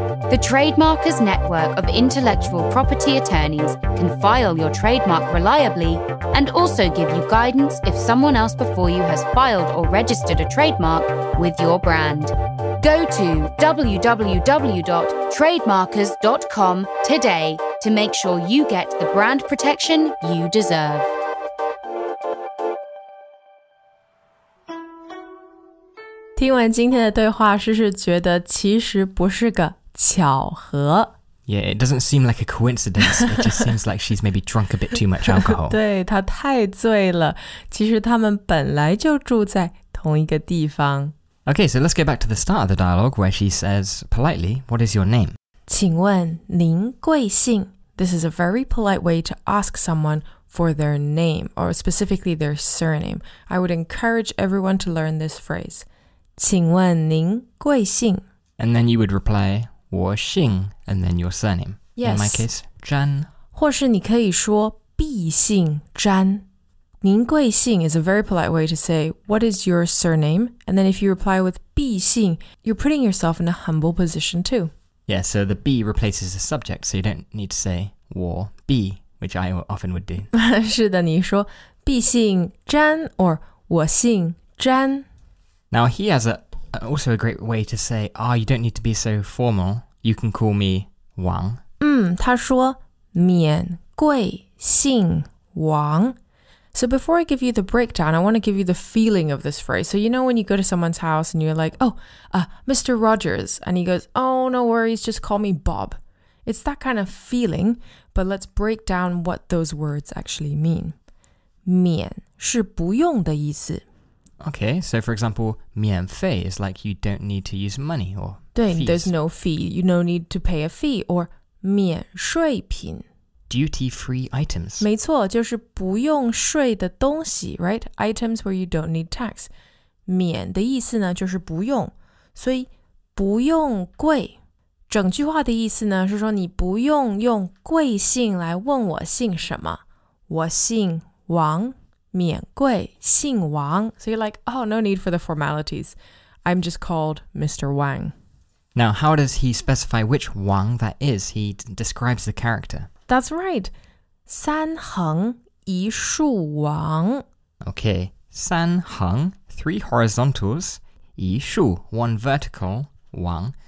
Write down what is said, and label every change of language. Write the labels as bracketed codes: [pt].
[en] The Trademarkers Network of Intellectual Property Attorneys can file your trademark reliably and also give you guidance if someone else before you has filed or registered a trademark with your brand. Go to www.trademarkers.com today to make sure you get the brand protection you deserve. [zh] 听完今天的对话，诗诗觉得其实不是个巧合。 [en] Yeah, it doesn't seem like a coincidence. It just seems like she's maybe drunk a bit too much alcohol. [zh] 对，她太醉了。其实他们本来就住在同一个地方。 [en] Okay, so let's get back to the start of the dialogue where she says, politely, what is your name? [zh] 请问您贵姓? [en] This is a very polite way to ask someone,for their name, or specifically their surname. I would encourage everyone to learn this phrase. [zh] 请问您贵姓? [en] And then you would reply, 我姓, and then your surname. Yes. In my case, 詹。 [zh] 或是你可以说必姓詹。 [en] 您贵姓 is a very polite way to say, what is your surname? And then if you reply with 必姓, you're putting yourself in a humble position too. Yeah, so the 必 replaces the subject, so you don't need to say 我必。 Which I often would do. [zh] 是的，你说必姓詹 or 我姓詹。 [en] Now he has also a great way to say, oh, you don't need to be so formal. You can call me 王。 [zh] 他说免贵姓王。 [en] So before I give you the breakdown, I want to give you the feeling of this phrase. So you know when you go to someone's house and you're like, Mr. Rogers. And he goes, oh, no worries, just call me Bob. It's that kind of feeling, but let's break down what those words actually mean. [zh] 免是不用的意思。 [en] Okay, so for example, 免费 is like you don't need to use money or [zh] 对 [en] fees. There's no fee. You no need to pay a fee. Or 免税品。 Duty-free items. [zh] 没错,就是不用税的东西, [en] right? Items where you don't need tax. [zh] 免的意思呢,就是不用。所以不用贵。整句话的意思呢，是说你不用用贵姓来问我姓什么，我姓王，免贵姓王。 [en] So you're like, oh, no need for the formalities. I'm just called Mr. Wang. Now, how does he specify which Wang that is? He describes the character. That's right. [zh] 三横一竖王。 [en] Okay, 三横 3 horizontals, 一竖 1 vertical, 王。